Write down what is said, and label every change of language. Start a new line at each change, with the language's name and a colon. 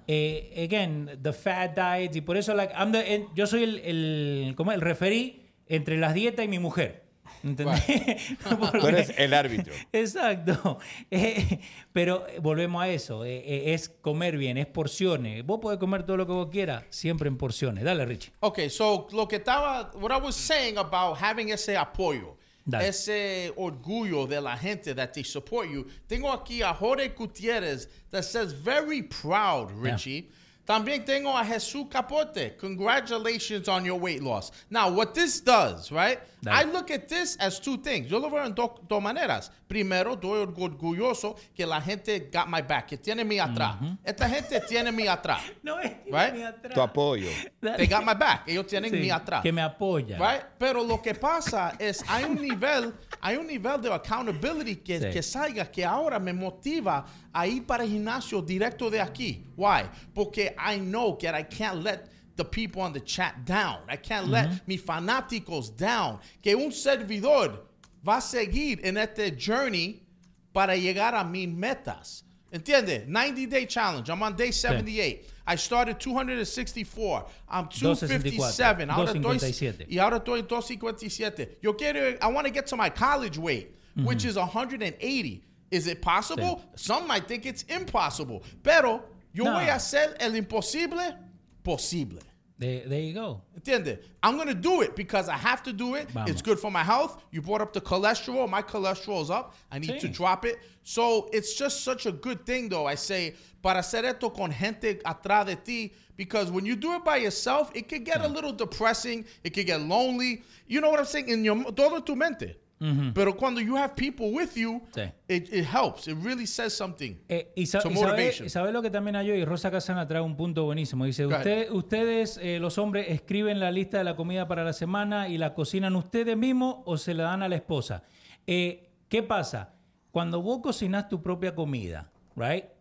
English: Again, the fat diets,
Spanish: y por eso like, yo soy el referí entre las dietas y mi mujer. ¿Entendés?
English: Right.
Spanish: Porque, tú eres el árbitro. Exacto. Pero volvemos a eso, es comer bien, es porciones. Vos podés comer todo lo que vos quieras, siempre en porciones. Dale, Richie.
English: Okay, so
Spanish: lo que estaba,
English: what I was saying about having
Spanish: ese apoyo, dale. Ese orgullo de la gente
English: that they support you.
Spanish: Tengo aquí a
English: Jorge Gutierrez that says, very proud, Richie. Yeah.
Spanish: También tengo a
English: Jesús Capote. Congratulations on your weight loss. Now, what this does, right? Dale. I look at this as two things.
Spanish: Yo lo veo en dos maneras. Primero, estoy orgulloso que la gente
English: got my back,
Spanish: que tiene mi atrás. Mm-hmm. Esta gente tiene mi atrás. No, es right? Mi atrás. Tu apoyo.
English: They got my back.
Spanish: Ellos tienen mi atrás. Que me apoya.
English: Right?
Spanish: Pero lo que pasa es hay un nivel de accountability que salga, que ahora me motiva a ir para el gimnasio directo de aquí.
English: Why? Porque I know that I can't let the people on the chat down. I can't mm-hmm. let
Spanish: mi fanáticos
English: down.
Spanish: Que un servidor va a seguir en este journey para llegar a mis metas.
English: ¿Entiendes? 90-day challenge. I'm on day 78. Sí. I started 264. I'm 257. 257.
Spanish: Ahora estoy en 257. Yo quiero,
English: I want to get to my college weight, mm-hmm. which is 180. Is it possible? Sí. Some might think it's impossible.
Spanish: Pero yo voy a hacer el imposible posible.
English: There you go.
Spanish: ¿Entiendes?
English: I'm going to do it because I have to do it. Vamos. It's good for my health. You brought up the cholesterol. My cholesterol is up. I need to drop it. So it's just such a good thing, though, I say,
Spanish: para hacer esto con gente atrás de ti.
English: Because when you do it by yourself, it can get a little depressing. It can get lonely. You know what I'm saying? In your
Spanish: todo tu mente.
English: Mm-hmm.
Spanish: Pero cuando
English: you have people with you, it helps. It really says something.
Spanish: Isabel, lo que también hay hoy, Rosa Casana trae un punto buenísimo. Dice, ustedes, los hombres, escriben la lista de la comida para la semana y la cocinan ustedes mismos o se la dan a la esposa. ¿Qué pasa? Cuando vos cocinas tu propia comida, right?